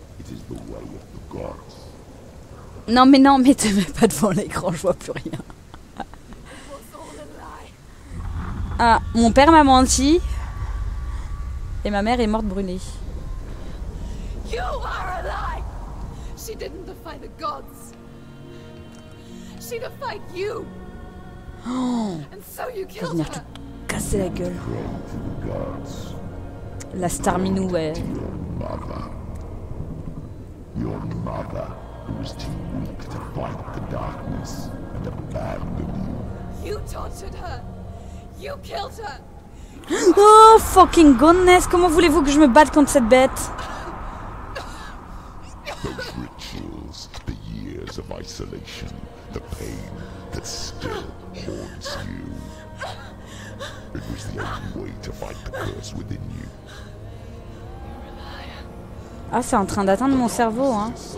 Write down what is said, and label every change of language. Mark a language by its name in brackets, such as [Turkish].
[English] It is the way of the gods. The [French] Non, mais non, mettez-moi pas devant l'écran, je vois plus rien. Ah, mon père m'a menti. Et ma mère est morte brûlée. [English] You are alive. She didn't defy the gods. She defied you. Oh. And so you killed her. [French] Tout casser la gueule. La star minou, ouais. [English] Your mother was too weak to fight the darkness and abandoned you. You tortured her. You killed her. Oh fucking goodness! [French] Comment voulez-vous que je me batte contre cette bête? [English] Those rituals, the years of isolation, the pain that still haunts you. It was the only way to fight the curse within you. [French] Ah, c'est en train d'atteindre mon cerveau, hein.